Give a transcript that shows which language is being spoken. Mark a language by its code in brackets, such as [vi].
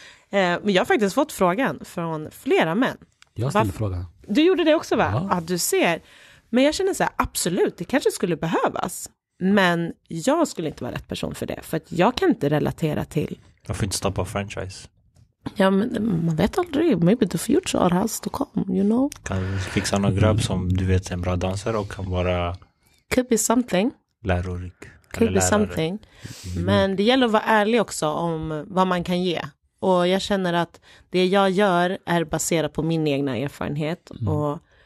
[sv] Men jag har faktiskt fått frågan från flera män. Jag ställde frågan. Du gjorde det också, va? Ja, du ser. Men jag känner så här, absolut, det kanske skulle behövas. Men jag skulle inte vara rätt person för det. För att jag kan inte relatera till... Jag får inte stoppa franchise. Ja, men man vet aldrig. [en] Maybe the future has to come, you know? [sv] Kan fixa någon grabb som du vet är en bra dansare och kan vara... [en] Could be something. [sv] Lärorik. [en] Could be something. Mm. [sv] Men det gäller att vara ärlig också om vad man kan ge. Och jag känner att det jag gör är baserat på min egna erfarenhet och...